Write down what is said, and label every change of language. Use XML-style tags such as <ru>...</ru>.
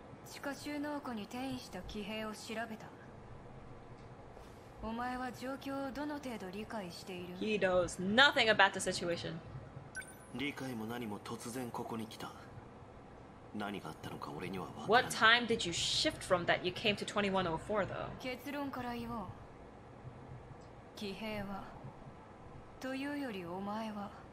<ja>地下収納庫に転移した騎兵を調べた。お前は状況をどの程度理解している？</ja> <en>He knows nothing about the situation.</en> <ja>理解も何も突然ここに来た。何があったのか俺には分からない。</ja> <en>What time did you shift from that you came to 2104 though?</en> <ja>結論から言おう。騎兵は、というよりお前は、</ja>